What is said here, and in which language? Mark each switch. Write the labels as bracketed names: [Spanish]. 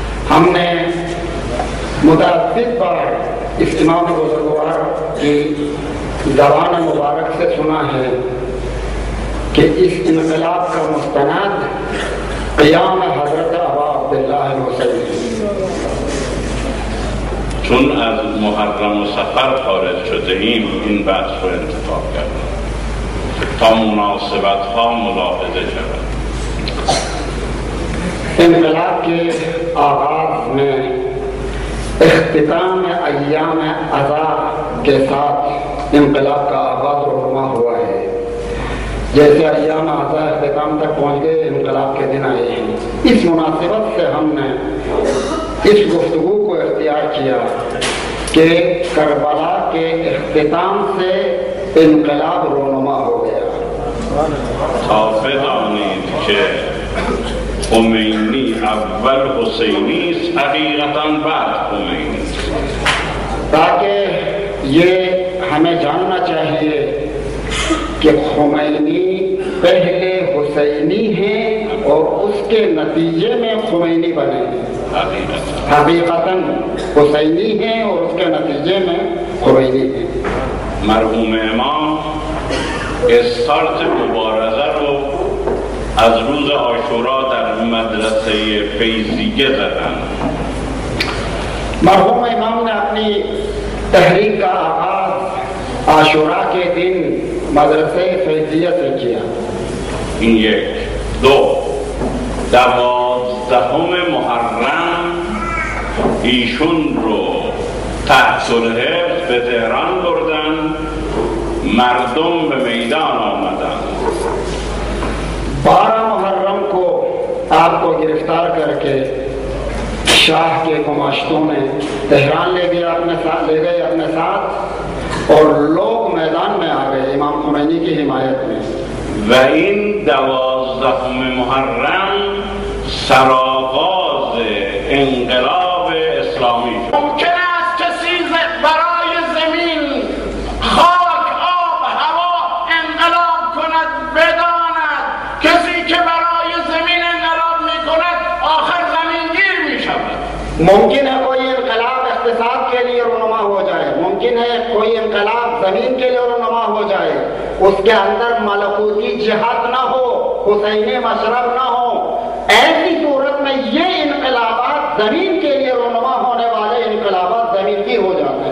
[Urdu] ہم نے متعدد بار اجتماع بزرگوار کی زبان مبارک سے سنا ہے کہ اس انقلاب کا مستند قیام حضرت ابا عبداللہ الحسینی. [Persian] چون از محرم و سفر خارج شده ایم این بحث رو انتخاب کردیم تا مناسبت ها ملاحظه شد. [Urdu] انقلاب کے آغاز میں اختتام ایام عزا کے ساتھ انقلاب کا آغاز رونما ہوا ہے. جیسے ایام عزا اختتام تک پہنچ گئے انقلاب کے دن آئے ہیں. اس مناسبت سے ہم نے اس گفتگو کو اختیار کیا کہ کربلا کے اختتام سے انقلاب رونما ہو گیا. [Persian] تا بدانید که خمینی اول حسینی است، حقیقتا بعد خمینی است. [Urdu] تاکہ یہ ہمیں جاننا چاہیے کہ خمینی پہلے حسینی ہیں اور اس کے نتیجے میں خمینی بنے. حقیقتا حسینی ہیں اور اس کے نتیجے میں خمینی ہیں. [Persian] مرحوم امام استارت مبارزه رو از روز عاشورا در مدرسه فیضیه زدن. [Urdu] مرحوم امام نے اپنی تحریک کا آغاز عاشورا کے دن مدرسه فیضیه سے کیا. [Persian] این یک. دو، دوازدهم محرم ایشون رو تحت الحفظ به تهران بردن، مردم به میدان آمدن. [Urdu] 12 محرم کو آپ کو گرفتار کر کے شاہ کے گماشتوں میں تهران لے گئے اپنے ساتھ اور لوگ میدان میں آگئے امام خمینی کی حمایت میں. [Persian] و این 12 محرم سرآغاز انقلاب اسلامی شد. ممکن است کسی برای زمین خاک آب هوا انقلاب کند بداند کسی که برای زمین انقلاب می کند آخر زمین گیر می شود. [Urdu] ممکن ہے کوئی انقلاب اقتصاد کے لیے رونما ہو جائے، ممکن ہے کوئی انقلاب زمین کے لیے رونما ہو جائے، اس کے اندر ملکوتی جہاد نہ ہو، حسین مشرب نہ ہو، ایسی صورت میں یہ انقلابات زمین کے لیے رونما ہونے والے انقلابات زمین کی ہو جاتے ہیں.